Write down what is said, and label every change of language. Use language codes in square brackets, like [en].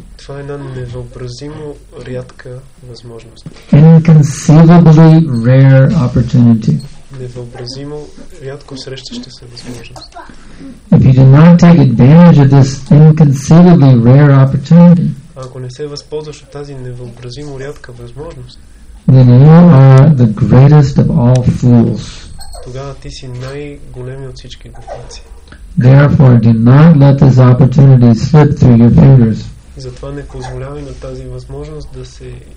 [bg] Това е една невъобразимо рядка възможност. [en] Inconceivably rare opportunity. [bg] Невъобразимо рядко срещаща се възможност. [en] If you do not take advantage of this inconceivably rare opportunity, [bg] ако не се възползваш от тази невъобразимо рядка възможност, [en] then you are the greatest of all fools. [bg] Тогава ти си най-големи от всички глупаци. [en] Therefore, do not let this opportunity slip through your fingers. [bg] Затова не позволявай на тази възможност да се